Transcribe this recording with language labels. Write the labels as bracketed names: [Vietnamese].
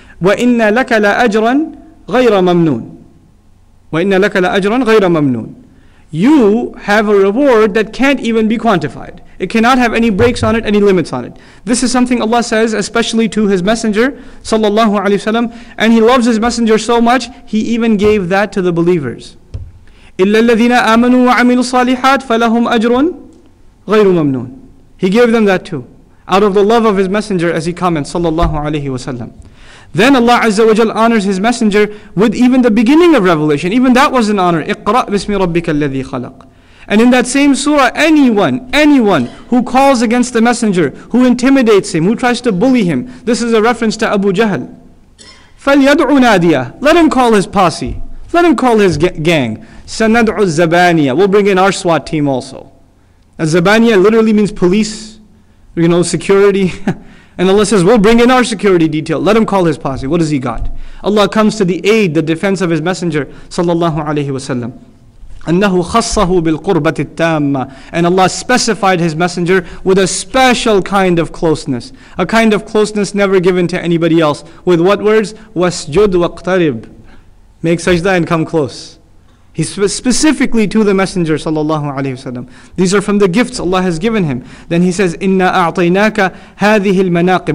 [Arabic] وَإِنَّ لَكَ لَأَجْرًا غَيْرَ مَمْنُونَ. وَإِنَّ لَكَ لَأَجْرًا غَيْرَ مَمْنُونَ. [English] You have a reward that can't even be quantified. It cannot have any breaks on it, any limits on it. This is something Allah says especially to His Messenger sallallahu alayhi wa sallam, and He loves His Messenger so much He even gave that to the believers. [Arabic] إِلَّا الَّذِينَ آمَنُوا وَعَمِلُوا الصَّالِحَاتِ فَلَهُمْ أَجْرٌ غَيْرُ مَمْنُونَ. [English] He gave them that too. out of the love of his messenger, as he comments, sallallahu alayhi wa sallam. Then Allah Azza wa Jal honors his messenger with even the beginning of revelation. Even that was an honor. [Arabic] اقرأ بسم ربك الذي خلق. [English] And in that same surah, anyone who calls against the messenger, who intimidates him, who tries to bully him, this is a reference to Abu Jahl. [Arabic] فَلْيَدْعُ نَادِيَهُ. [English] Let him call his posse. Let him call his gang. [Arabic] سَنَدْعُ الزَّبَانِيَةِ. [English] We'll bring in our SWAT team also. A Zabaniya literally means police, you know, security. And Allah says, we'll bring in our security detail. Let him call his posse. What has he got? Allah comes to the aid, the defense of his messenger, sallallahu alayhi wa sallam. [Arabic] أَنَّهُ خَصَّهُ بِالْقُرْبَةِ التَّامَّةِ. [English] And Allah specified his messenger with a special kind of closeness. A kind of closeness never given to anybody else. With what words? [Arabic] وَاسْجُدْ وَاقْتَرِبْ. [English] Make sajda and come close. He specifically to the messenger, sallallahu alayhi wa sallam. These are from the gifts Allah has given him. Then he says, [Arabic] إِنَّا أَعْطَيْنَاكَ هَذِهِ الْمَنَاقِبِ.